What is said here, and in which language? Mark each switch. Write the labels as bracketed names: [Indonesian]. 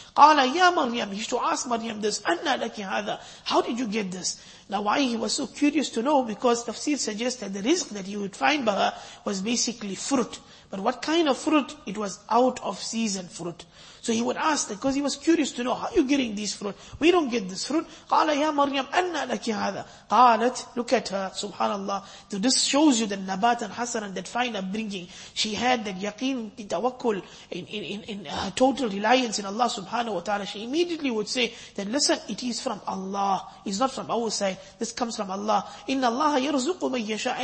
[Arabic] قَالَ يَا مَرْيَمْ, [English] he used to ask Maryam this, [Arabic] أَنَّ لَكِ هَذَا, [English] how did you get this? Now why he was so curious to know, because tafsir suggests that the rizq that he would find by her was basically fruit. But what kind of fruit? It was out of season fruit. So he would ask that because he was curious to know, how are you getting this fruit? We don't get this fruit. [Arabic] قَالَ يَا مَرْيَمْ أَنَّ لَكِ هَذَا قَالَتْ, [English] look at her, [Arabic] subhanallah. [English] So this shows you that nabat and hasan, and that fine upbringing. She had that yaqeen, tawakkul, in her total reliance in Allah subhanahu wa ta'ala. She immediately would say that, listen, it is from Allah. It's not from our side. This comes from Allah. [Arabic] إِنَّ اللَّهَ يَرْزُقُ مَنْ يَشَاءَ.